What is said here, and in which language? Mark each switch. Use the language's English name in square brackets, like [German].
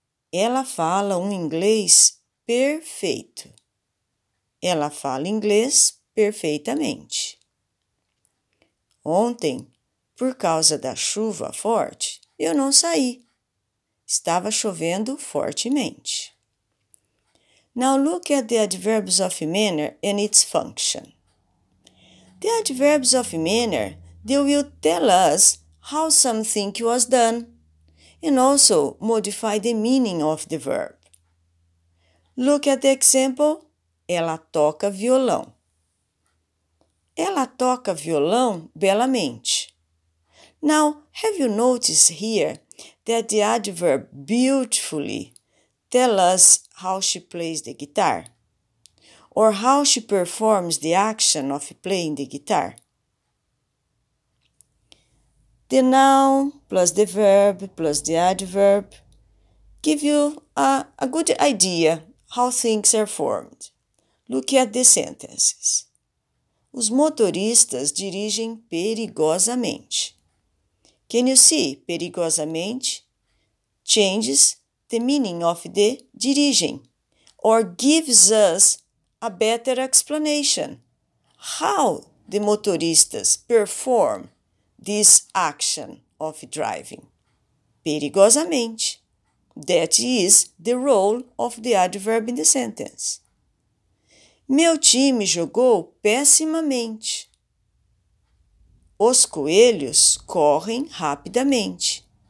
[Portuguese] Ela fala um inglês perfeito. Ela fala inglês perfeitamente. Ontem, por causa da chuva forte, eu não saí. Estava chovendo fortemente. [English] Now look at the adverbs of manner and its function. The adverbs of manner, they will tell us how something was done and also modify the meaning of the verb. Look at the example. [Portuguese] Ela toca violão. Ela toca violão belamente. [English] Now, have you noticed here that the adverb beautifully tell us how she plays the guitar, or how she performs the action of playing the guitar? The noun plus the verb plus the adverb give you a good idea how things are formed. Look at the sentences. [Portuguese] Os motoristas dirigem perigosamente. [English] Can you see perigosamente? Changes the meaning of the dirigem, or gives us a better explanation how the motoristas perform this action of driving. [Portuguese] Perigosamente. [English] That is the role of the adverb in the sentence. [Portuguese] Meu time jogou pessimamente. Os coelhos correm rapidamente.